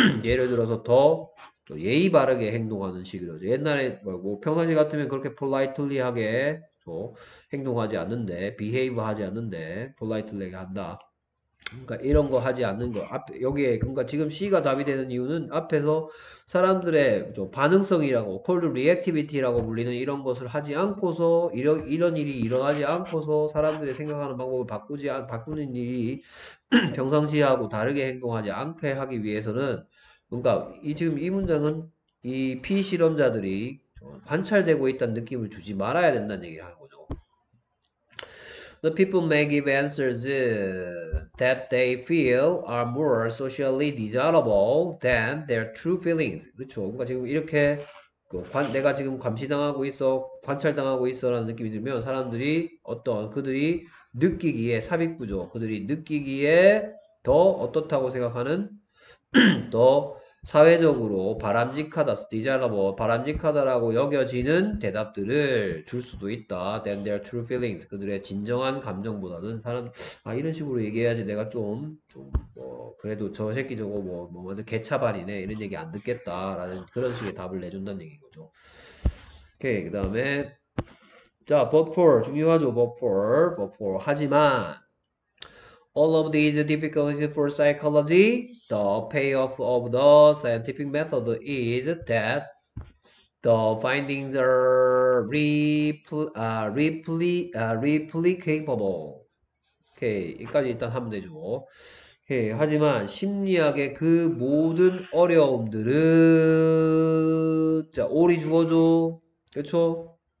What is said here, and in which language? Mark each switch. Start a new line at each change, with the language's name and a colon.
Korean: 예를 들어서 더 예의 바르게 행동하는 식으로 옛날에 뭐 평상시 같으면 그렇게 politely 하게 행동하지 않는데 behave 하지 않는데 politely 한다 그러니까 이런 거 하지 않는 거 앞에 여기에 그러니까 지금 C가 답이 되는 이유는 앞에서 사람들의 반응성이라고 cold reactivity라고 불리는 이런 것을 하지 않고서 이런 일이 일어나지 않고서 사람들의 생각하는 방법을 바꾸는 일이 평상시하고 다르게 행동하지 않게 하기 위해서는 그러니까 이 지금 이 문장은 이 피 실험자들이 관찰되고 있다는 느낌을 주지 말아야 된다는 얘기를 하는 거죠.
English: The people may give answers that they feel are more socially desirable than their true feelings.
Korean: 그렇죠. 그러니까 지금 이렇게 내가 지금 감시당하고 있어, 관찰당하고 있어라는 느낌이 들면 사람들이 어떤 그들이 느끼기에 삽입구조, 그들이 느끼기에 더 어떻다고 생각하는 더 사회적으로 바람직하다, desirable, 바람직하다라고 여겨지는 대답들을 줄 수도 있다.
English: than their true feelings.
Korean: 그들의 진정한 감정보다는 사람, 아, 이런 식으로 얘기해야지 내가 뭐, 그래도 저 새끼 저거 완전 개차반이네. 이런 얘기 안 듣겠다라는 그런 식의 답을 내준다는 얘기인 거죠. 오케이. 그 다음에, 자,
English: but for,
Korean: 중요하죠.
English: but for.
Korean: 하지만,
English: All of these difficulties for psychology, the payoff of the scientific method is that the findings are replicable.
Korean: Okay, 여기까지 일단 하면 되죠. Okay, 하지만 심리학의 그 모든 어려움들은 자, 오리 주어죠. 그렇죠?